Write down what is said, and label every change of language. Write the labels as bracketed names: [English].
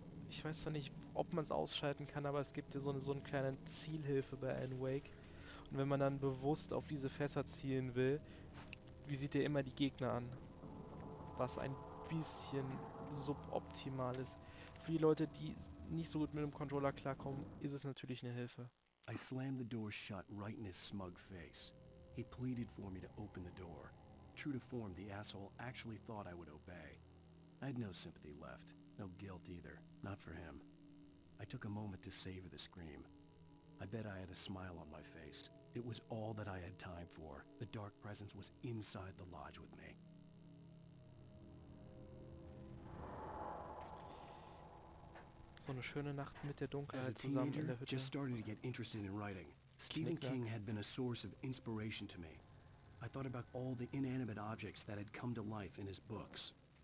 [German] Ich weiß zwar nicht, ob man es ausschalten kann, aber es gibt ja so eine kleine Zielhilfe bei Alan Wake. Und wenn man dann bewusst auf diese Fässer zielen will, wie sieht der immer die Gegner an? Was ein bisschen suboptimal ist. Für die Leute, die nicht so gut mit dem Controller klarkommen, ist es natürlich eine Hilfe. [English] I slammed the door shut right in his smug face. He pleaded for me to open the door. True to form, the asshole actually thought I would obey. I had no sympathy left. No guilt either, not for him. I took a moment to savor the scream. I bet I had a smile on my face. It was all that I had time for. The dark presence was inside the lodge with me. [German] So eine schöne Nacht mit der Dunkelheit zusammen in der Hütte. [English] As a teenager, just starting to get interested in writing. Stephen King had been a source of inspiration to me. I thought about all the inanimate objects that had come to life in his books.